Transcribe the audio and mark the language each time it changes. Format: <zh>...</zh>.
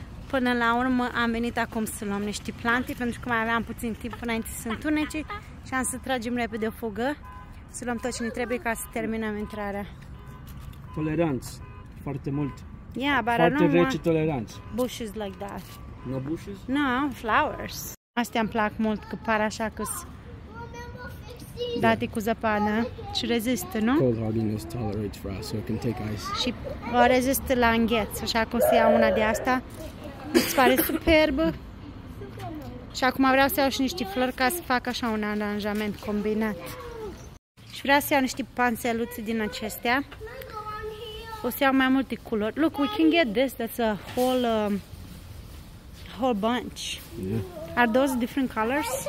<ro>Până la urmă am venit acum să luăm niște plante, pentru că mai aveam puțin timp înainte să întunece și am să tragem repede o fugă, să luăm tot ce ne trebuie ca să terminăm intrarea. Toleranți, foarte mult. Yeah, foarte rece, toleranți.</ro> <en>Bushes like that. No bushes? No, flowers.</en> <ro>Astea îmi plac mult, că par așa că date cu zăpadă și rezistă, nu?</ro> <en>Cold hardiness tolerates for us, so it can take ice.</en> <ro>Și o rezistă la îngheț, așa că o să iau una de asta. Îți pare superbă. Și acum vreau să iau și niște flori ca să fac așa un aranjament combinat. Și vreau să iau niște panseluțe din acestea. O să iau mai multe culori.</ro> <en>Look, we can get this. That's a whole whole bunch. Yeah. Are those different colors?</en>